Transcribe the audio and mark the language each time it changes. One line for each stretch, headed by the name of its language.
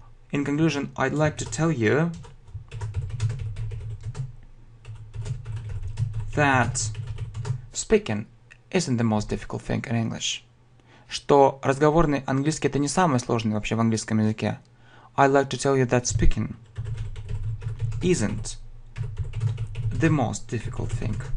English: In conclusion, I'd like to tell you that speaking isn't the most difficult thing in English.
Russian: Что разговорный английский это не самое сложное вообще в английском языке.
English: I'd like to tell you that speaking isn't the most difficult thing.